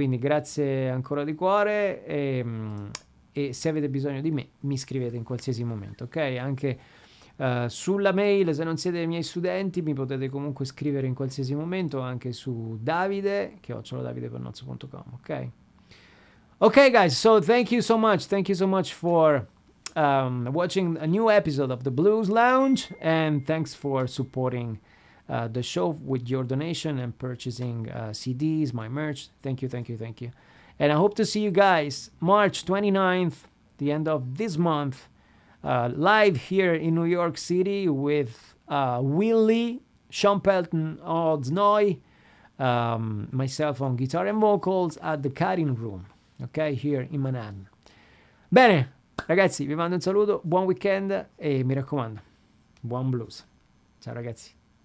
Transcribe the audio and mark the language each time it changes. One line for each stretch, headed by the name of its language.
Italian: Quindi grazie ancora di cuore e se avete bisogno di me mi scrivete in qualsiasi momento, ok? Anche sulla mail, se non siete i miei studenti, mi potete comunque scrivere in qualsiasi momento, anche su Davide, @davidepannozzo.com, ok?
English: Okay, guys, so thank you so much. Thank you so much for watching a new episode of The Blues Lounge. And thanks for supporting the show with your donation and purchasing CDs, my merch. Thank you, thank you, thank you. And I hope to see you guys March 29th, the end of this month, live here in New York City with Willie, Sean Pelton, Odds Noy, myself on guitar and vocals at the Cutting Room. Ok, here in Manhattan.
Italian: Bene, ragazzi, vi mando un saluto, buon weekend e mi raccomando, buon blues. Ciao ragazzi.